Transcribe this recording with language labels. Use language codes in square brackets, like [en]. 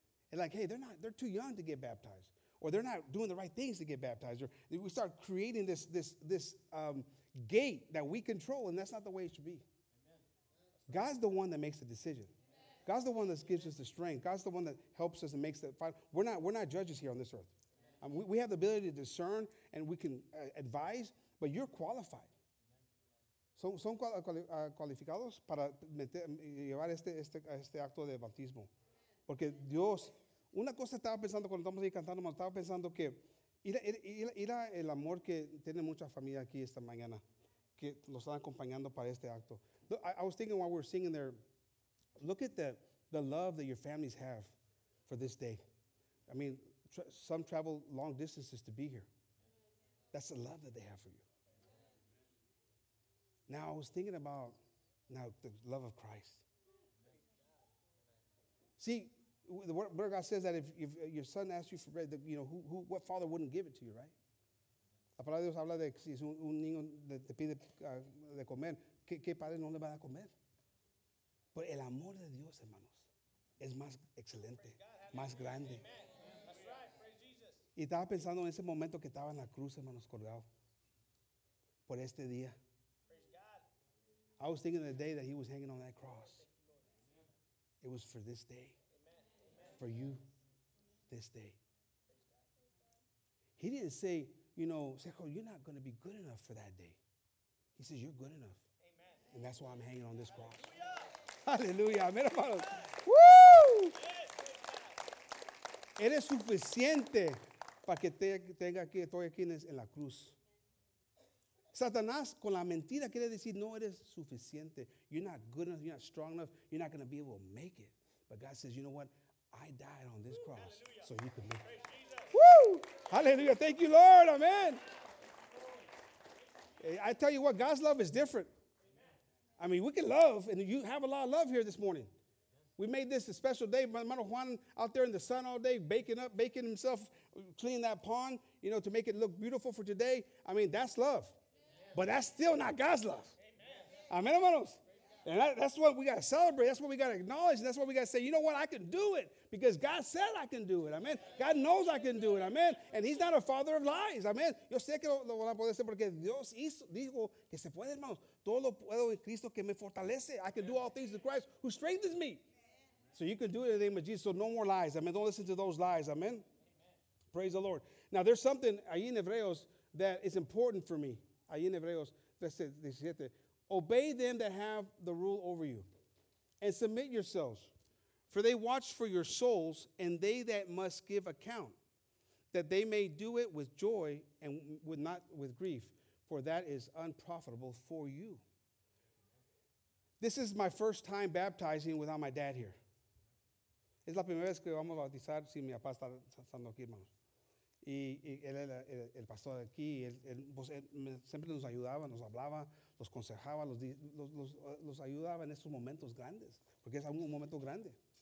[en] And like, hey, they're too young to get baptized. Or they're not doing the right things to get baptized. Or we start creating this gate that we control, and that's not the way it should be. Amen. God's the one that makes the decision. Amen. God's the one that gives us the strength. God's the one that helps us and makes the final. We're not judges here on this earth. I mean, we have the ability to discern, and we can advise, but you're qualified. [es] Son cualificados para llevar este acto de bautismo. Porque Dios, una cosa estaba pensando cuando estamos ahí cantando, estaba pensando que era el amor que tiene mucha familia aquí esta mañana, que los están acompañando para este acto. [en] I was thinking while we were singing there, look at the love that your families have for this day. I mean, some travel long distances to be here. That's the love that they have for you. Now, I was thinking about the love of Christ. See, the Word of God says that if your son asks you for bread, who what father wouldn't give it to you, right? [es] La palabra de Dios habla de que si un niño te pide de comer, ¿qué padre no le va a comer? Pero el amor de Dios, hermanos, es más excelente, más grande. Y estaba pensando en ese momento que estaba en la cruz, hermanos, colgado, por este día. [en] I was thinking of the day that he was hanging on that cross. It was for this day. For you this day. He didn't say, Sejo, you're not going to be good enough for that day. He says, you're good enough. Amen. And that's why I'm hanging on this cross. Hallelujah. Hallelujah. Woo! [es] Eres suficiente para que tenga que estoy aquí en la cruz. Satanás con la mentira quiere decir, no eres suficiente. [en] You're not good enough. You're not strong enough. You're not going to be able to make it. But God says, you know what? I died on this cross. Hallelujah. So you can live. Woo! Hallelujah. Thank you, Lord. Amen. I tell you what, God's love is different. I mean, we can love, and you have a lot of love here this morning. We made this a special day. My mother Juan out there in the sun all day, baking himself, cleaning that pond, to make it look beautiful for today. I mean, that's love. But that's still not God's love. Amen, hermanos. And that's what we got to celebrate. That's what we got to acknowledge. And that's what we got to say, you know what? I can do it because God said I can do it. Amen. God knows I can do it. Amen. And he's not a father of lies. Amen. [es] Yo sé que lo voy a poder hacer porque Dios dijo que se puede, hermanos. Todo lo puedo en Cristo que me fortalece. [en] I can do all things through Christ who strengthens me. So you can do it in the name of Jesus. So no more lies. Amen. Don't listen to those lies. Amen. Praise the Lord. Now, there's something [es] ahí en Hebreos [en] that is important for me. [es] Ahí en Hebreos 13:17. [en] Obey them that have the rule over you and submit yourselves, for they watch for your souls and they that must give account, that they may do it with joy and not with grief, for that is unprofitable for you. This is my first time baptizing without my dad here. [es] Es la primera vez que vamos a bautizar sin mi papá estando aquí, hermano. Y él era el pastor aquí, él siempre nos ayudaba, nos hablaba, los aconsejaba, los ayudaba en esos momentos grandes, porque es un momento grande.